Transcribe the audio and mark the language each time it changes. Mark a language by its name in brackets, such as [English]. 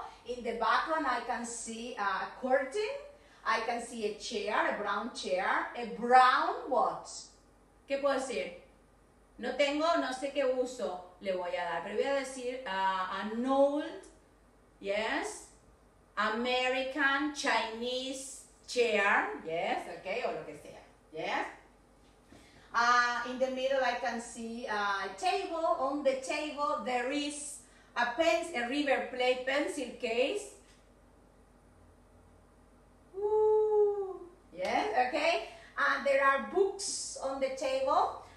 [English] In the background I can see a curtain, I can see a chair, a brown chair, a brown what? [Spanish] ¿Qué puedo decir? No tengo, no sé qué uso le voy a dar, pero voy a decir [English] an old, yes, American Chinese chair, yes, okay, [Spanish] o lo que sea, yes. [English] In the middle I can see a table, on the table there is a pencil, a River Plate pencil case. Woo, yes, okay, and there are books on the table.